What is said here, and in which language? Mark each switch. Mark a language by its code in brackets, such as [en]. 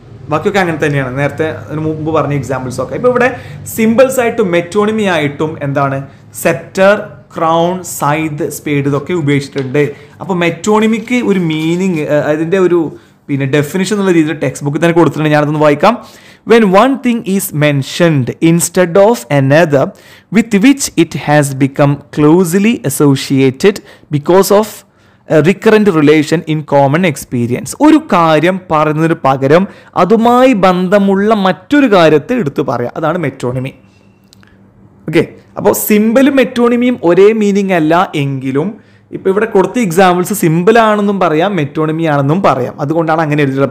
[ml] ബാക്കിയൊക്കെ അങ്ങനെ തന്നെയാണ്, നേരത്തെ അതിന് മുമ്പ് പറഞ്ഞ എക്സാമ്പിൾസ് ഒക്കെ. ഇപ്പോൾ ഇവിടെ സിമ്പിൾസ് ആയിട്ടും മെറ്റോണിമി ആയിട്ടും എന്താണ് സെപ്റ്റർ, ക്രൗൺ, സൈദ്, സ്പേഡ് ഇതൊക്കെ ഉപയോഗിച്ചിട്ടുണ്ട്. അപ്പോൾ മെറ്റോണിമിക്ക് ഒരു മീനിങ് അതിൻ്റെ ഒരു പിന്നെ ഡെഫിനിഷൻ എന്നുള്ള രീതിയിൽ ടെക്സ്റ്റ് ബുക്ക് തന്നെ കൊടുത്തിട്ടുണ്ട്, ഞാനതൊന്ന് വായിക്കാം. [en] When one thing is mentioned instead of another with which it has become closely associated because of a recurrent relation in common experience. [ml] ഒരു കാര്യം പറയുന്നതിന് പകരം അതുമായി ബന്ധമുള്ള മറ്റൊരു കാര്യത്തെ എടുത്തു പറയാം, അതാണ് മെറ്റോണിമി. ഓക്കെ, അപ്പോൾ സിമ്പിളും മെറ്റോണിമിയും ഒരേ മീനിങ് അല്ല എങ്കിലും ഇപ്പോൾ ഇവിടെ കൊടുത്ത എക്സാമ്പിൾസ് സിമ്പിളാണെന്നും പറയാം മെറ്റോണിമി ആണെന്നും പറയാം, അതുകൊണ്ടാണ് അങ്ങനെ എഴുതിയത്.